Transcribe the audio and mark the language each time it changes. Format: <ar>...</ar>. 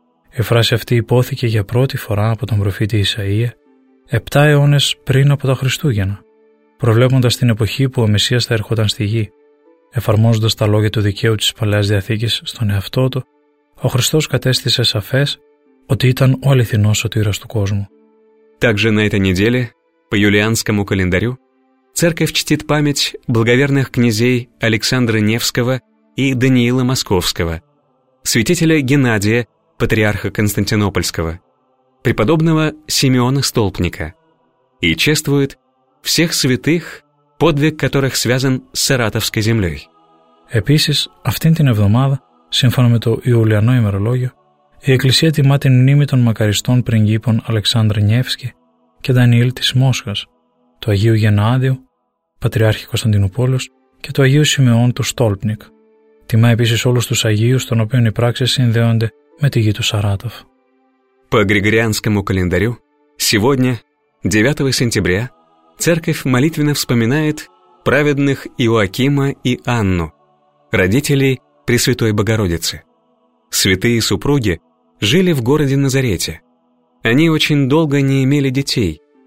<el>Η φράση αυτή υπόθηκε για πρώτη φορά από τον προφήτη Ισαΐα 7 αιώνες πριν από τα Χριστούγεννα, προβλέποντας την εποχή που ο Μεσσίας θα ερχόταν στη γη. Εφαρμόζοντας τα λόγια του δικαίου της Παλαιάς Διαθήκης στον εαυτό του, ο Χριστός κατέστησε σαφές ότι ήταν ο αληθινός σωτήρας του κόσμου.</el> <ru>Также на этой неделе, по юлианскому календарю, церковь чтит память благоверных князей Александра Невского и Даниила Московского, святителя Геннадия, патриарха Константинопольского, преподобного Симеона Столпника, и чествует всех святых, подвиг которых связан с Саратовской землей.</ru> <el>Επίσης, αυτήν την εβδομάδα, σύμφωνα με το Ιουλιανό ημερολόγιο, η Εκκλησία τιμά την μνήμη των μακαριστών πριγκίπων Αλεξάνδρα Νιεύσκη και Δανιήλ της Μόσχας, του Αγίου Γεννάδιου, Πατριάρχη Κωνσταντινούπολης και του Αγίου Σιμεών του Στόλπνικ. Τιμά επίσης όλους τους Αγίους, των οποίων οι πράξεις συνδέονται με τη γη του Σαράτοφ.</el> <ru>По григорианскому календарю, сегодня, 9 сентября, церковь молитвенно вспоминает праведных Иоакима и Анну, родителей Пресвятой Богородицы. Святые супруги жили в городе Назарете. Они очень долго не имели детей.</ru>